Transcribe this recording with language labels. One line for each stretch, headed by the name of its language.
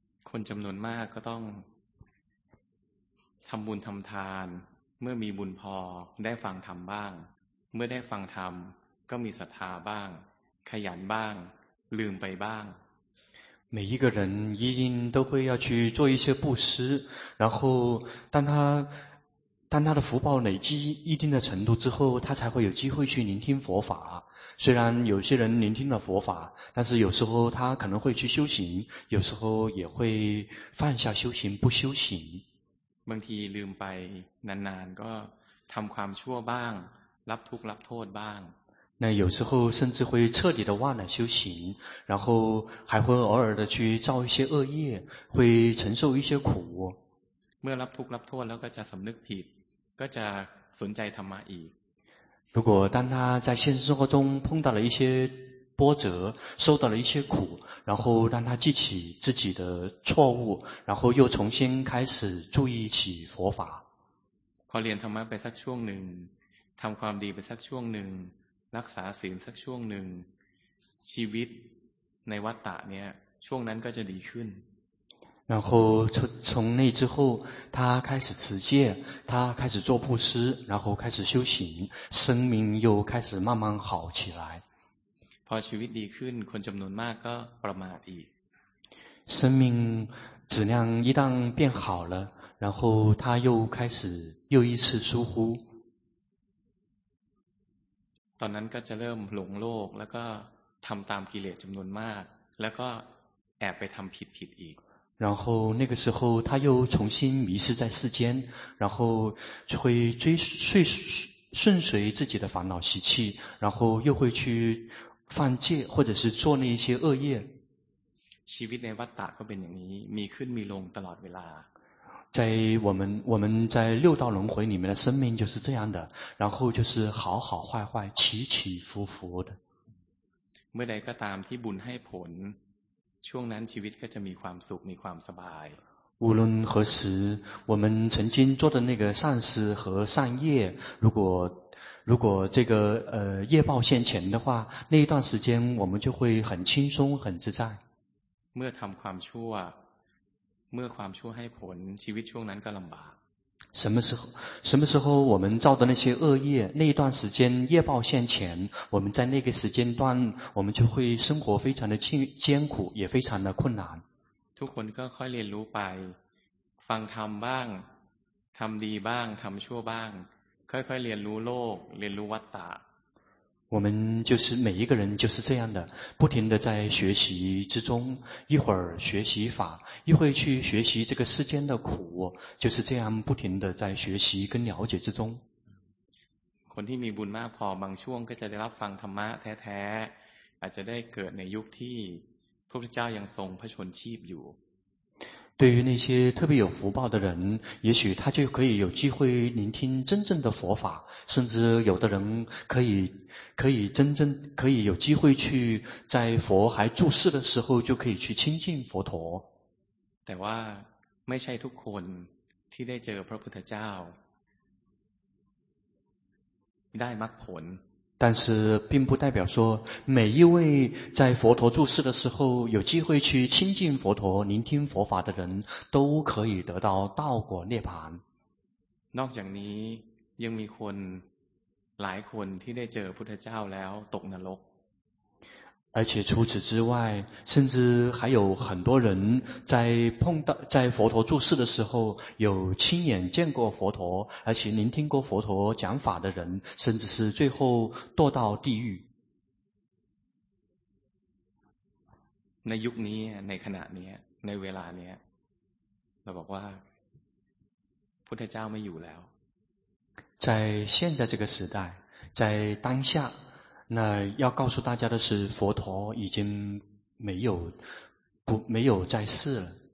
Thai: คนจำนวนมากก็ต้องทำบุญทำทานเมื่อมีบุญพอได้ฟังธรรมบ้างเมื่อได้ฟังธรรมก็มีศรัทธาบ้างขยันบ้างลืมไปบ้าง
Chinese: 每一个人一定都会要去做一些布施然后当他的福报累积一定的程度之后他才会有机会去聆听佛法虽然有些人聆听了佛法但是有时候他可能会去修行有时候也会放下修行不修行
Thai: บางทีลืมไปนานๆก็ทำความชั่วบ้างรับทุกข์รับโทษบ้าง
Chinese: 那有时候甚至会彻底的忘了修行然后还会偶尔的去造一些恶业会承受一些苦
Thai: เมื่อรับทุกข์รับโทษแล้วก็จะสำนึกผิดก็จะสนใจธรรมะอีก
Chinese: 如果当他在现实生活中碰到了一些波折受到了一些苦然后让他记起自己的错误然后又重新开始注意起佛法
Thai: พอเรียนธรรมะไปสักช่วงหนึ่งทำความดีไปสักช่วงหนึ่งรักษาศีลสักช่วงหนึ่งชีวิตในวัฏฏะเนี่ยช่วงนั้นก็จะดีขึ้น
Chinese: 然后 从那之后他开始持戒他开始做布施然后开始修行生命又开始慢慢好起来
Thai: พอชีวิตดีขึ้นคนจำนวนมากก็ประมาทอีก
Chinese: 生命质量一旦变好了然后他又开始又一次疏忽
Thai: ตอนนั้นก็จะเริ่มหลงโลกแล้วก็ทำตามกิเลสจำนวนมากแล้วก็แอบไปทำผิดๆอีก
Chinese: 然后那个时候他又重新迷失在世间然后就会顺随自己的烦恼习气然后又会去犯戒或者是做那些恶业
Thai: ชีวิตในวัฏฏะก็เป็นอย่างนี้มีขึ้นมีลงตลอดเวลา
Chinese: 在我们在六道轮回里面的生命就是这样的然后就是好好坏坏起起伏伏的
Thai: เมื่อใดก็ตามที่บุญให้ผลช่วงนั้นชีวิตก็จะมีความสุขมีความสบาย
Chinese: 无论何时我们曾经做的那个善事和善业如果这个业报现前的话那一段时间我们就会很轻松很自在
Thai: เมื่อทำความชั่วเมื่อความชั่วให้ผลชีวิตช่วงนั้นก็ลำบาก
Chinese: 什么时候我们造的那些恶业那一段时间业报现前我们在那个时间段我们就会生活非常的艰苦也非常的困难
Thai: ทุกคนก็ค่อยเรียนรู้ไปฟังธรรมบ้างทำดีบ้างทำชั่วบ้างค่อยๆเรียนรู้โลกเรียนรู้วัฏฏะ
Chinese: 我们就是每一个人就是这样的不停地在学习之中一会儿学习法一会儿去学习这个世间的苦就是这样不停地在学习跟了解之中
Thai: คนที่มีบุญมากพอบางช่วงก็จะได้รับฟังธรรมะแท้ๆอาจจะได้เกิดในยุคที่พระพุทธเจ้ายังทรงพระชนชีพอยู่
Chinese: 对于那些特别有福报的人，也许他就可以有机会聆听真正的佛法，甚至有的人可以有机会去在佛还住世的时候就可以去亲近佛陀。
Thai: แต่ว่าไม่ใช่ทุกคนที่ได้เจอพระพุทธเจ้าได้มรรคผล。
Chinese: 但是并不代表说每一位在佛陀住世的时候有机会去亲近佛陀聆听佛法的人都可以得到道果涅槃。
Thai: นอกจากนี้ยังมีคนหลายคนที่ได้เจอพุทธเจ้าแล้วตกนรก。
Chinese: 而且除此之外，甚至还有很多人在佛陀住世的时候，有亲眼见过佛陀，而且聆听过佛陀讲法的人，甚至是最后堕到地狱。
Thai: ในยุคนี้ในขณะนี้ในเวลานี้เราบอกว่าพุทธเจ้าไม่อยู่แล้ว。
Chinese: 在现在这个时代，在当下。那要告诉大家的是佛陀已经没有在世了。